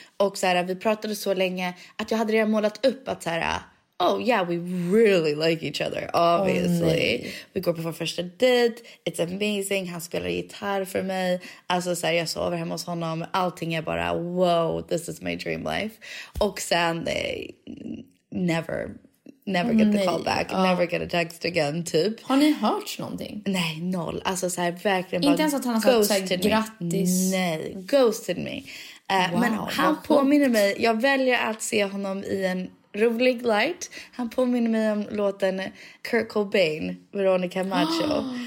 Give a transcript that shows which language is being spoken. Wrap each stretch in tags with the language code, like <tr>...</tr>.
<sv>Och så här, vi pratade så länge att jag hade redan målat upp att så här,</sv> <en>oh yeah, we really like each other, obviously.</en> <sv>Oh, vi går på vår första dejt,</sv> <en>it's amazing,</en> <sv>han spelar gitarr för mig. Alltså så här, jag sover hemma hos honom, allting är bara, wow,</sv> <en>this is my dream life.</en> <sv>Och sen,</sv> <en>they never get the call back, never get a text again, typ.</en> <sv>Har ni hört någonting? Nej, noll. Alltså så här, verkligen bara, inte ens att han har sagt så här, grattis. Nej,</sv> <en>ghosted me.</en> <sv>Wow, men han påminner mig, jag väljer att se honom i en rolig light. Han påminner mig om låten Kurt Cobain, Veronica Macho. Oh.</sv>